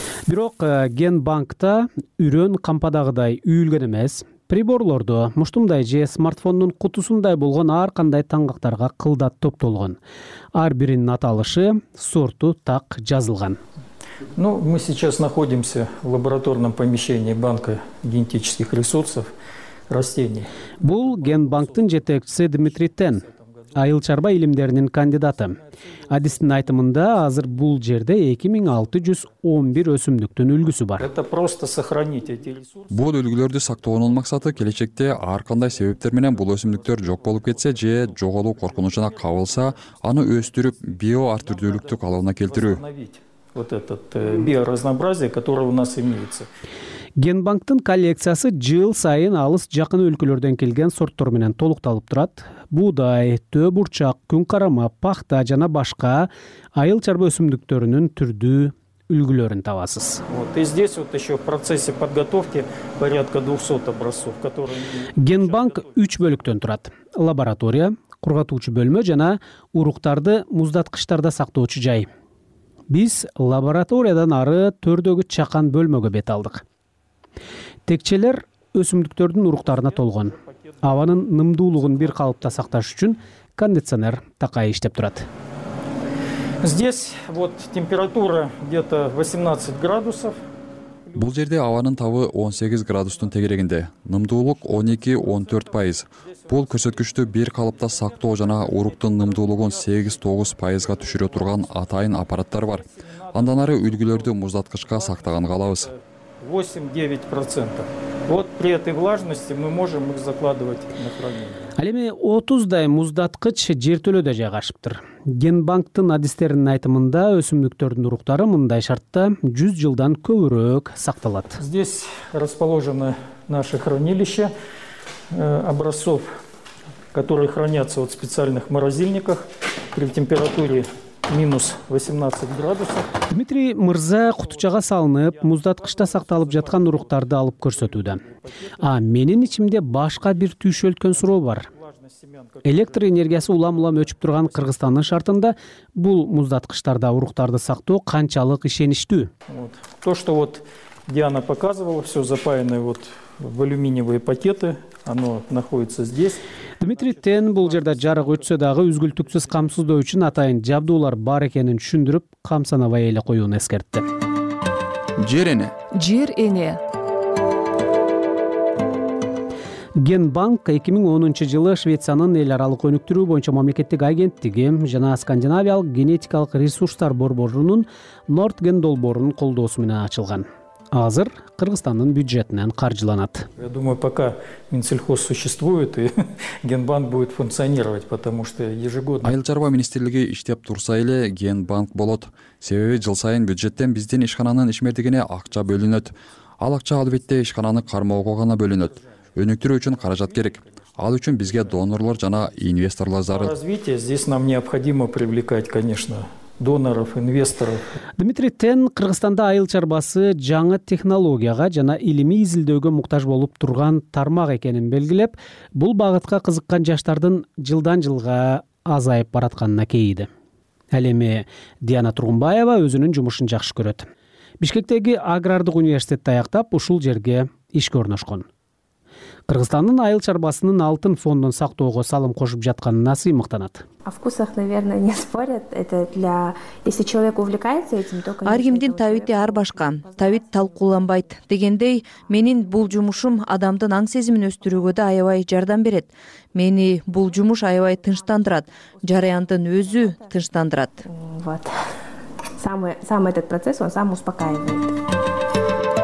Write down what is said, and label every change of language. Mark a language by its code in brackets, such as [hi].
[ky] Бирок Генбанкта үрөн кампадагыдай үйүлгөн эмес. Приборлордо муштумдай же смартфондун кутусундай болгон ар кандай таңгактарга кылдат топтолгон. Ар биринин аталышы, сорту так жазылган. [ru] Ну, мы сейчас находимся в лабораторном помещении банка генетических ресурсов растений. [ky] Бул Генбанктын жетекчиси Дмитрий Тен. Айыл чарба илимдеринин кандидаты. Адистин айтымында азыр бул жерде 2611 өсүмдүктүн үлгүсү бар. [ru] Это просто сохранить эти ресурсы. [ky] Бул үлгүлөрдү сактоонун максаты келечекте ар кандай себептер менен бул өсүмдүктөр жок болуп кетсе же жоголуу коркунучуна кабылса, аны өстүрүп био ар түрдүүлүктү калыбына келтирүү. [ru] Вот этот биоразнообразие, которое у нас имеется. [ky] Генбанктын коллекциясы жыл сайын алыс жакын өлкөлөрдөн келген сорттор менен толукталып турат. Буудай, төө бурчак, күн карама, пахта жана башка айыл чарба өсүмдүктөрүнүн түрдүү үлгүлөрүн табасыз. [ru] Вот и здесь вот ещё в процессе подготовки порядка 200 образцов, которые [ky] Генбанк 3 бөлүктөн турат. Лаборатория, кургатуучу бөлмө жана уруктарды муздаткычтарда сактоочу жай. Биз лабораториядан ары төрдөгү чакан бөлмөгө бет алдык. Текчелер өсүмдүктөрдүн уруктарына толгон. Абанын нымдуулугун бир калыпта сакташ үчүн кондиционер такай иштеп турат. [ru] Здесь вот температура где-то 18 градусов. [ky] Бул жерде абанын табы 18 градустун тегерегинде. Нымдуулук 12-14%. Бул көрсөткүчтү бир калыпта сактоо жана уруктун нымдуулугун 8-9%га түшүрө турган атайын аппараттар бар. Андан ары үлгүлөрдү муздаткычка сактаган калабыз. 8-9%. [ru] Вот при этой влажности мы можем их закладывать на хранение. [ky] Ал эми 30 муздаткыч жертөлөдө жайгашыптыр. Генбанктын адистеринин айтымында өсүмдүктөрдүн уруктары мындай шартта 100 жылдан көбүрөөк сакталат. [ru] Здесь расположено наше хранилище образцов, которые хранятся в специальных морозильниках при температуре минус 18 градусов. [ky] Дмитрий Мырза кутучага салынып, муздаткычта сакталып жаткан уруктарды алып көрсөтүүдө. А менин ичимде башка бир түйшөлткөн суроо бар. Электр энергиясы улам-улам өчүп турган Кыргызстандын шартында бул муздаткычтарда уруктарды сактоо канчалык ишеничтүү? [ru] То, что вот Диана показывала, все запаянное вот в алюминиевые пакеты. Оно находится здесь. [ky] Дмитрий Тен бул жерде жарык өтсө дагы үзгүлтүксүз камсыздоо үчүн атайын жабдуулар бар экенин түшүндүрүп, камсанабай эле коюун эскертти. Жер эне. Жер эне. Генбанк 2010 жылы Швециянын эл аралык өнүктүрүү боюнча мамлекеттик агенттиги жана Скандинавиялык генетикалык ресурстар борборунун Нортген долбоорунун колдоосу менен ачылган. Азыр Кыргызстандын бюджетинен каржыланат. [ru] Я думаю, пока Минсельхоз существует и Генбанк будет функционировать, потому что ежегодно. [ky] Айыл чарба министрлиги иштеп турса эле Генбанк болот. Себеби жыл сайын бюджеттен биздин ишкананын ишмердигине акча бөлүнөт. Ал акча албетте ишкананы кармоого гана бөлүнөт. Өнүктүрүү үчүн каражат керек. Ал үчүн бизге донорлор жана инвесторлор зарыл. [ru] Развитие здесь нам необходимо привлекать, конечно. Доноров, инвесторов. [ky] Дмитрий Тен Кыргызстанда айыл чарбасы жаңы технологияга жана илимий изилдөөгө муктаж болуп турган тармак экенин белгилеп, бул багытка кызыккан жаштардын жылдан жылга азайып баратканына кейиди. Ал эми Диана Тургунбаева өзүнүн жумушун жакшы көрөт. Бишкектеги агрардык университетти аяктап, ушул жерге ишке орношкон. Кыргызстандын айыл чарбасынын алтын фондун сактоого салым кошуп жатканына сыймыктанат. [ru] О вкусах, наверное, не спорят. Это для... Если человек увлекается этим, то, конечно... [ky] Ар кимдин табити ар башка. Табит талкууланбайт. Дегендей, менин бул жумушум адамдын аң сезимин өстүрүүгө да аябай жардам берет. Мени бул жумуш аябай тынчтандырат. Жараяндын өзү тынчтандырат. [ru] Вот. Сам этот процесс, он сам успокаивает.